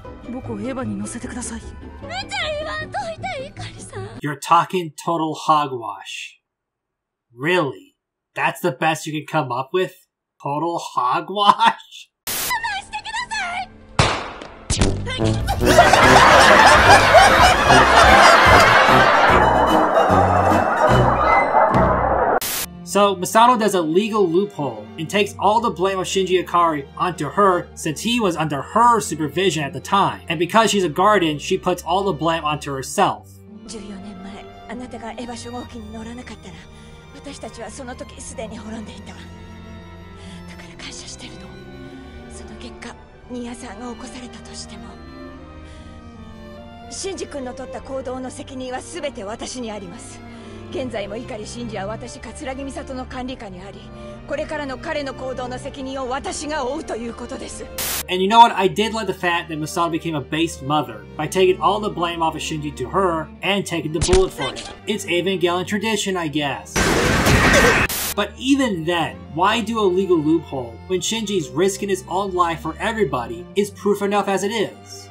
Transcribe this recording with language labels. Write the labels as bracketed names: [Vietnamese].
[Japanese] 僕をエヴァに乗せてください。無茶言わんといて、イカリさん。 [English] You're talking total hogwash. Really? That's the best you can come up with? Total hogwash? [Japanese] 我慢してください。 [English] So, Misato does a legal loophole and takes all the blame of Shinji Hikari onto her since he was under her supervision at the time. And because she's a guardian, she puts all the blame onto herself. [Japanese] 14 年前、あなたがエヴァ初号機に乗らなかったら、私たちはその時すでに滅んでいたわ。だから感謝してるの。その結果、ニアさんが起こされたとしても。シンジ君の取った行動の責任は全て私にあります。現在もイカリ・シンジは私、葛城美里の管理下にあり、これからの彼の行動の責任を私が負うということです。 [English] And you know what? I did like the fact that Misato became a base mother by taking all the blame off of Shinji to her and taking the bullet for it. It's Evangelion tradition, I guess. But even then, why do a legal loophole when Shinji's risking his own life for everybody is proof enough as it is?